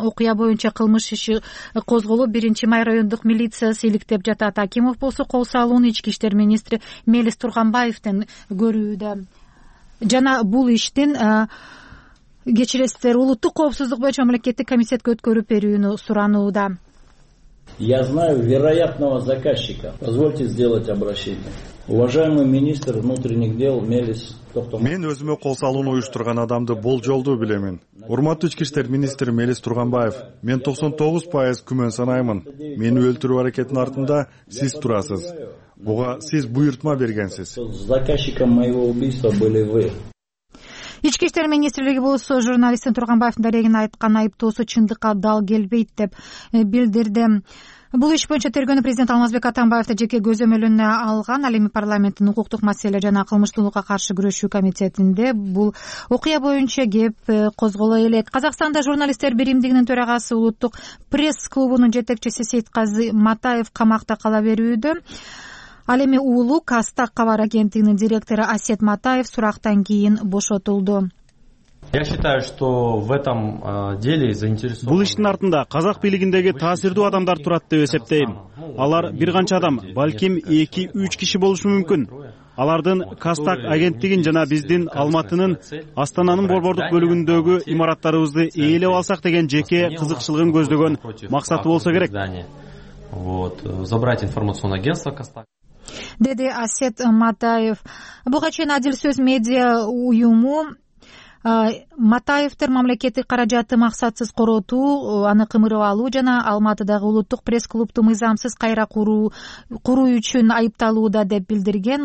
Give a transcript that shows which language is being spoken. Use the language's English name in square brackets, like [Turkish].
[Kyrgyz] Окуя боюнча кылмыш иши козголуп, 1 май райондук милициясы иликтеп жатат. Акимов болсо кол салууну ички иштер министри Мелис Турганбаевден көрүүдө. Жана бул иштин кечиресиздер, улуттук коопсуздук боюнча мамлекеттик комитетке өткөрүп берүүнү суранууда. [Russian] Я знаю вероятного заказчика. Позвольте сделать обращение. Уважаемый министр внутренних дел Мелис Токтомуров. [Kyrgyz] Мен өзүмө кол салууну уюштурган адамды болжолду билемин. Урматтуу ички иштер министри Мелис Турганбаев, мен 99% күмөн санаймын. Мени өлтүрүү аракетинин артында сиз турасыз. Буга сиз буйрутма бергенсиз. [Russian] Заказчиком моего убийства были вы. [Kyrgyz] Ички иштер министрлиги болсо журналисттин Турганбаевдин дарегин айткан айыптоосу чындыкка дал келбейт деп билдирди. Бул иш боюнча тергөөнү президент Алмазбек Атамбаевди жеке көзөмөлүнө алган ал эми парламенттин укуктук маселелер жана кылмыштуулукка каршы күрөшүү комитетинде бул окуя боюнча кеп козголо элек. Казакстанда журналисттер биримдигинин төрагасы улуттук пресс клубунун жетекчиси Сейтказы Матаев камакта кала берүүдө. Ал эми уулу Кастак кабар агенттигинин директору Асет Матаев сурактан кийин бошотулду. [Russian] Я считаю, что в этом деле заинтересован. [Kyrgyz] Бул иштин артында казак бийлигиндеги таасирдүү адамдар турат деп эсептейм. Алар бир канча адам, балким 2-3 киши болушу мүмкүн. Алардын Кастак агенттигин жана биздин Алматынын Астананын борбордук бөлүгүндөгү имараттарыбызды ээлеп алсак деген жеке кызыкчылыгын көздөгөн максаты болсо керек. [Russian] Вот, забрать информационное агентство Кастак. [Kyrgyz] Деди Асет Матаев. Буга чейин Адил сөз медиа уюму Матаевдер мамлекеттик каражатты максатсыз коротуу, аны кымырып алуу жана Алматыдагы улуттук пресс клубту мыйзамсыз кайра куруу үчүн айыпталууда деп билдирген.